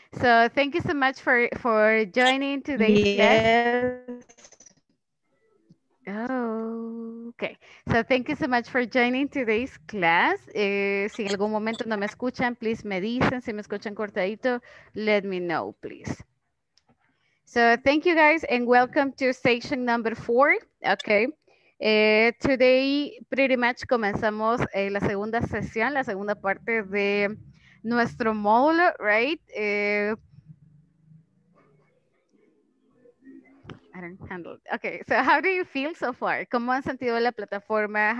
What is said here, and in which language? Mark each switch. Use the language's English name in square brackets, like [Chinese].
[English] So thank you so much for joining today's session. Yes. Oh, okay. So thank you so much for joining today's class. [Spanish] Si en algún momento no me escuchan, please me dicen. Si me escuchan cortadito, [English] let me know, please. So thank you guys and welcome to station number 4. Okay. Today, pretty much, [Spanish] comenzamos la segunda sesión, la segunda parte de nuestro módulo, right? [English] I don't handle it. Okay, so how do you feel so far? [Spanish] ¿Cómo han sentido la plataforma?